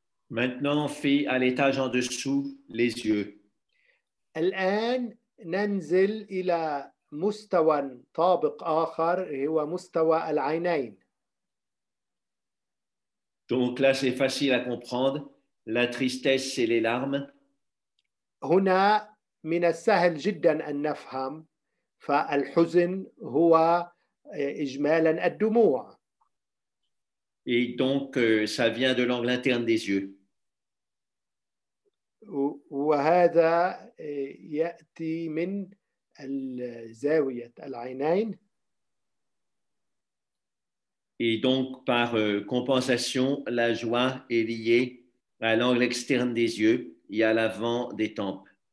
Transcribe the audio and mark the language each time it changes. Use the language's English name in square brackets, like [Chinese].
[French] Maintenant, fais à l'étage en dessous les yeux. [Arabic] الآن ننزل إلى مستوى طابق آخر هو مستوى العينين. [French] Donc là, c'est facile à comprendre. La tristesse, c'est les larmes. [Arabic] هنا من السهل جدا أن نفهم فالحزن هو إجمالا الدموع. [French] Et donc, ça vient de l'angle interne des yeux. [Arabic] وهذا يأتي من الزاوية العينين. [French] Et donc, par compensation, la joie est liée à l'angle externe des yeux et à l'avant des tempes.